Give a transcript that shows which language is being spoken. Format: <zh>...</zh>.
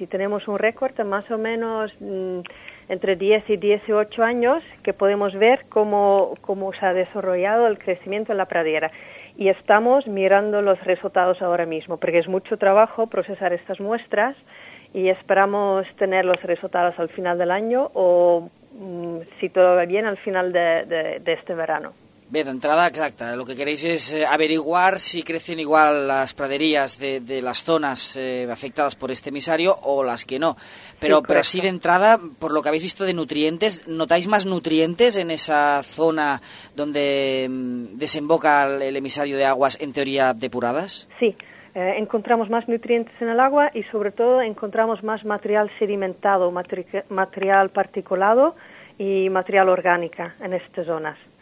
<es>Y tenemos un récord de más o menos entre 10 y 18 años que podemos ver cómo se ha desarrollado el crecimiento en la pradera. Y estamos mirando los resultados ahora mismo, porque es mucho trabajo procesar estas muestras y esperamos tener los resultados al final del año o, si todo va bien, al final de este verano.</es> <ca>Bé, d'entrada, exacte, el que</ca> <es>queréis</es> <ca>és</ca> <es>averiguar si crecen igual</es> <ca>les praderies de les zones afectades per este emissari o les que no. Però sí, d'entrada,</ca> <es>per lo que habéis visto de nutrientes, ¿notáis más nutrientes en esa zona donde desemboca el emissari de aguas, en teoría, depuradas? Sí, encontramos más nutrientes en el agua y, sobre todo, encontramos más material sedimentado, material particulado y material orgánica en estas zonas.</es>